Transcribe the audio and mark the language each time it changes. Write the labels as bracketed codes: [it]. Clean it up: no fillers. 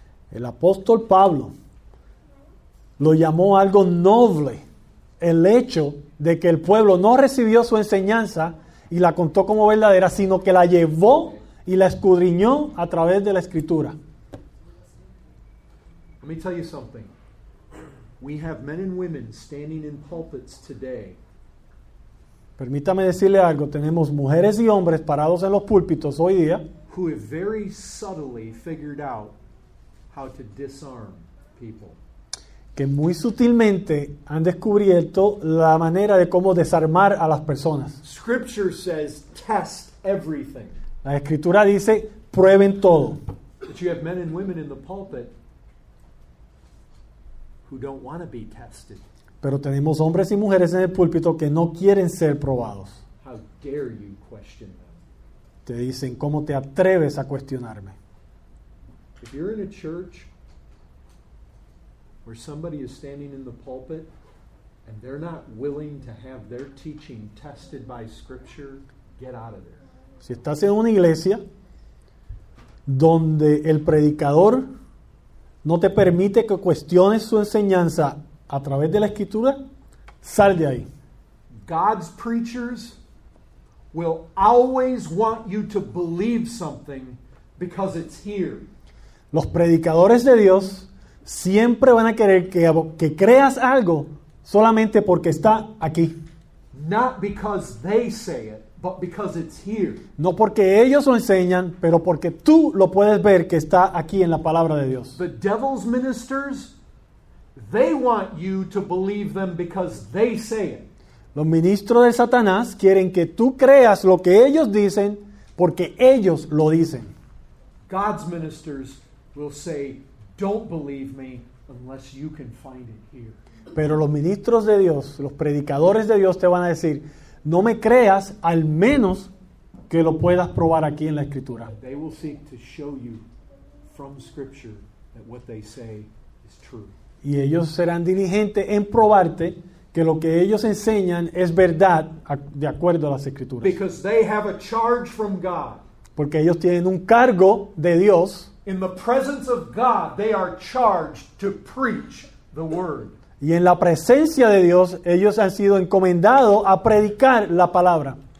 [es] El apóstol Pablo lo llamó algo noble el hecho de que el pueblo no recibió su enseñanza y la contó como verdadera, sino que la llevó y la escudriñó a través de la escritura. [en] Let me tell you something. We have men and women standing in pulpits today. [es] Permítame decirle algo. Tenemos mujeres y hombres parados en los púlpitos hoy día [en] who have very subtly figured out how to disarm people. [es] Que muy sutilmente han descubierto la manera de cómo desarmar a las personas. [en] Scripture says, test everything. [es] La escritura dice, prueben todo. [en] But you have men and women in the pulpit who don't want to be tested. [es] Pero tenemos hombres y mujeres en el púlpito que no quieren ser probados. [en] How dare you question them? [es] Te dicen, ¿cómo te atreves a cuestionarme? [en] If you're in a church where somebody is standing in the pulpit and they're not willing to have their teaching tested by Scripture, get out of there. [es] Si estás en una iglesia donde el predicador no te permite que cuestiones su enseñanza a través de la Escritura, sal de ahí. [en] God's preachers will always want you to believe something because it's here. [es] Los predicadores de Dios siempre van a querer que creas algo solamente porque está aquí. [en] Not because they say it, but because it's here. [es] No porque ellos lo enseñan, pero porque tú lo puedes ver que está aquí en la palabra de Dios. [en] The devil's ministers, they want you to believe them because they say it. [es] Los ministros de Satanás quieren que tú creas lo que ellos dicen porque ellos lo dicen. [en] God's ministers will say, "Don't believe me unless you can find it here." [es] Pero los ministros de Dios, los predicadores de Dios te van a decir, "No me creas al menos que lo puedas probar aquí en la escritura." [en] They will seek to show you from scripture that what they say is true. [es] Y ellos serán diligentes en probarte que lo que ellos enseñan es verdad de acuerdo a las Escrituras. [en] Because they have a charge from God. [es] Porque ellos tienen un cargo de Dios. [en] In the presence of God, they are charged to preach the word. [es] Y en la presencia de Dios, ellos han sido encomendados a predicar la palabra.